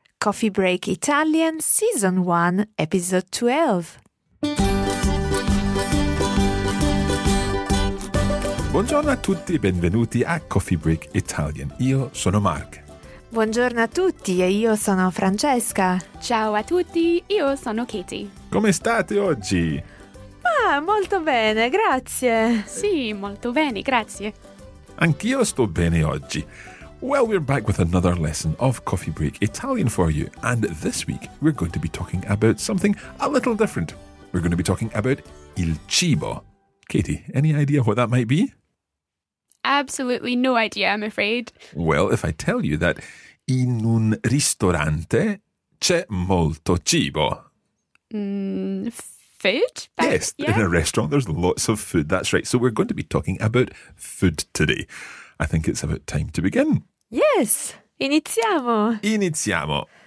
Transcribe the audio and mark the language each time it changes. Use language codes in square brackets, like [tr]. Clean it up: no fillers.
[en] Coffee Break Italian Season 1 Episode 12. [it] Buongiorno a tutti e benvenuti a Coffee Break Italian. Io sono Mark. Buongiorno a tutti e io sono Francesca. Ciao a tutti, io sono Katie. Come state oggi? Ah, molto bene, grazie. Sì, molto bene, grazie. Anch'io sto bene oggi. [en] Well, we're back with another lesson of Coffee Break Italian for you. And this week, we're going to be talking about something a little different. We're going to be talking about il cibo. Katie, any idea what that might be? Absolutely no idea, I'm afraid. Well, if I tell you that [it] in un ristorante c'è molto cibo. [en] Food? Yes, yeah. In a restaurant there's lots of food, that's right. So we're going to be talking about food today. I think it's about time to begin. [it] Yes, iniziamo! Iniziamo!